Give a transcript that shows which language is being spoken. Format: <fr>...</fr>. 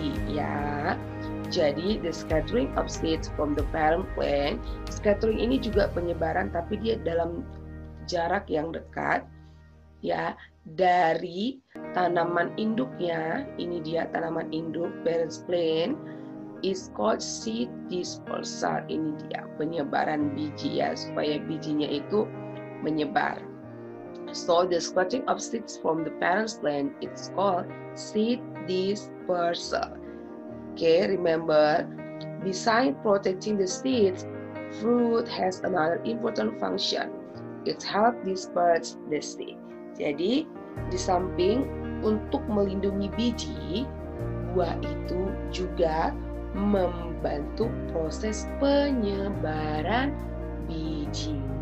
<id>Ya, jadi</id> <en>the scattering of seeds from the parent plant.</en> <id>Scattering ini juga penyebaran, tapi dia dalam jarak yang dekat, ya, dari tanaman induknya. Ini dia tanaman induk</id> <en>parent plant, is called seed dispersal.</en> <id>Ini dia penyebaran biji, ya, supaya bijinya itu menyebar.</id> <en>So the scattering of seeds from the parent plant it's called seed dispersal. Okay, remember, besides protecting the seeds, fruit has another important function. It helps disperse the seed.</en> <id>Jadi, di samping untuk melindungi biji, buah itu juga membantu proses penyebaran biji.</id>